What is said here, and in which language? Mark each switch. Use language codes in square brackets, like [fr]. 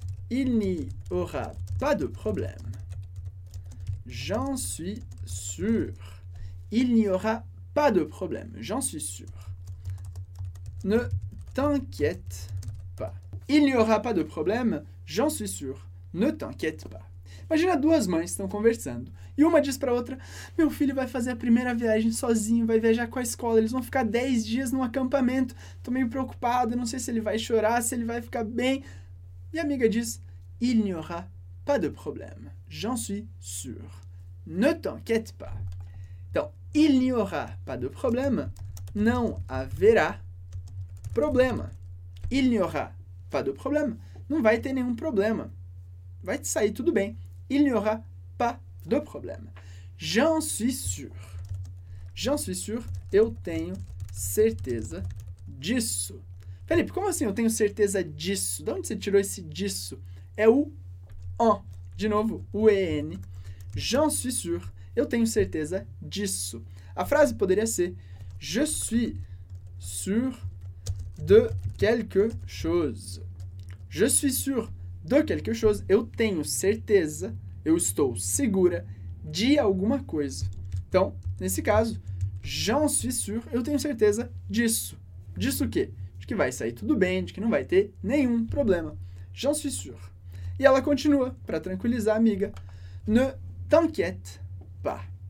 [fr] Il n'y aura pas de problème. J'en suis sûr. Il n'y aura pas de problème. J'en suis sûr. Ne t'inquiète pas. Il n'y aura pas de problème. J'en suis sûr. Ne t'inquiète pas. [pt] Imagina duas mães estão conversando e uma diz para outra: Meu filho vai fazer a primeira viagem sozinho, vai viajar com a escola, eles vão ficar 10 dias num acampamento. Tô meio preocupado, não sei se ele vai chorar, se ele vai ficar bem. E a amiga diz: [fr] Il n'y aura pas de problème. J'en suis sûr. Ne t'inquiète pas. [pt] Então, [fr] il n'y aura pas de problème. [pt] Não haverá problema. [fr] Il n'y aura pas de problème. [pt] Não vai ter nenhum problema. Vai te sair tudo bem. [fr] Il n'y aura pas de problème. J'en suis sûr. J'en suis sûr. [pt] Eu tenho certeza disso. Felipe, como assim eu tenho certeza disso? De onde você tirou esse disso? É o en. De novo, o en. [fr] J'en suis sûr. [pt] Eu tenho certeza disso. A frase poderia ser: [fr] Je suis sûr de quelque chose. Je suis sûr de quelque chose. [pt] Eu tenho certeza. Eu estou segura de alguma coisa. Então, nesse caso, [fr] j'en suis sûr. [pt] Eu tenho certeza disso. Disso o quê? De que vai sair tudo bem, de que não vai ter nenhum problema. [fr] J'en suis sûr. [pt] E ela continua para tranquilizar a amiga. [fr] Ne t'inquiète pas.